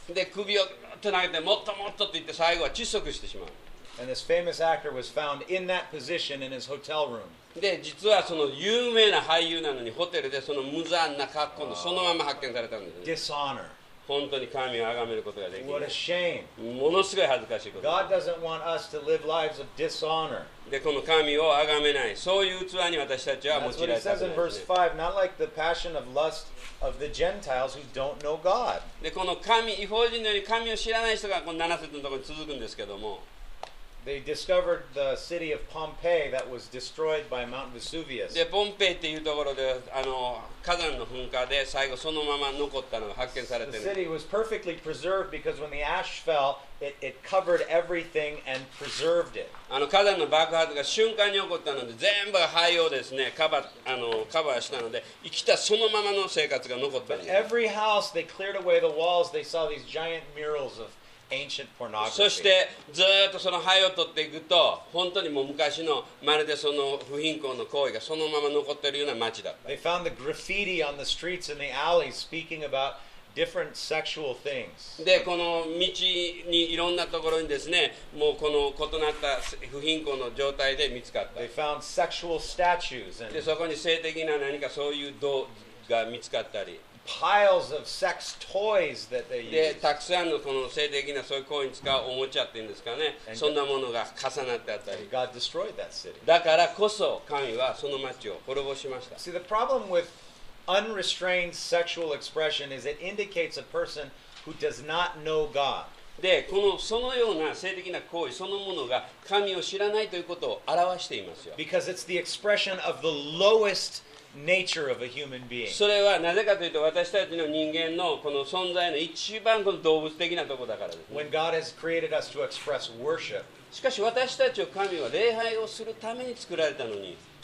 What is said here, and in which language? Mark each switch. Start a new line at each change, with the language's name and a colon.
Japanese: で、首をつなげてもっともっとって言って最後は窒息してしまう
English: And this famous actor was found in that position in his hotel room.
Japanese: で実はその有名な俳優なのにホテルでその無残な格好のそのまま発見されたんです、
English: ね。Dishonor.
Japanese: 本当に神を崇めることができない。
English: What a shame.
Japanese: ものすごい恥ずかしいこと。
English: God doesn't want us to live lives of dishonor.
Japanese: でこの神を崇めないそういう器に私たちは用いられたくないですね。
English: That's what it says in verse 5. Not like the passion of lust of the Gentiles who don't know God.
Japanese: でこの神異邦人のように神を知らない人がこの7節のところに続くんですけども。
English: They discovered the city of Pompeii that was destroyed by Mount Vesuvius.
Japanese: で、ポンペイっていうところで、あの、火山の噴火で最後そのまま残ったのが発見されてる。
English: The city was perfectly preserved because when the ash fell, it covered everything and preserved it.
Japanese: あの、火山の爆発が瞬間に起こったので、全部灰をですね、カバーしたので、生きたそのままの生活が残ったんです。
English: But every house, they cleared away the walls, they saw these giant murals of Ancient pornography.
Japanese: そしてずっとその灰を取っていくと本当にもう昔のまるでその不貧困の行為がそのまま残っているような街だった
English: They found the graffiti on the streets and the alleys speaking about different sexual things.
Japanese: でこの道にいろんなところにですねもうこの異なった不貧困の状態で見つかった
English: They found sexual statues and...
Japanese: でそこに性的な何かそういう像が見つかったり
English: Piles of sex toys that they use.
Japanese: で、たくさんのこの性的なそういう行為に使うおもちゃっていうんですかね、mm-hmm. そんなものが重なってあったり。
English: God destroyed that city.
Japanese: だからこそ神はその町を滅ぼしました。
English: See, the problem with unrestrained sexual expression is it indicates a person who does not know God.
Japanese: で、このそのような性的な行為そのものが神を知らないということを表していますよ。
English: Because it's the expression of the lowestNature of a human being.
Japanese: それはなぜかというと私たちの人間のこの存在の一番この動物的なところだからです、ね。
English: When God has created us to express worship.
Japanese: しかし私たちを神は礼拝をするために作られたのに。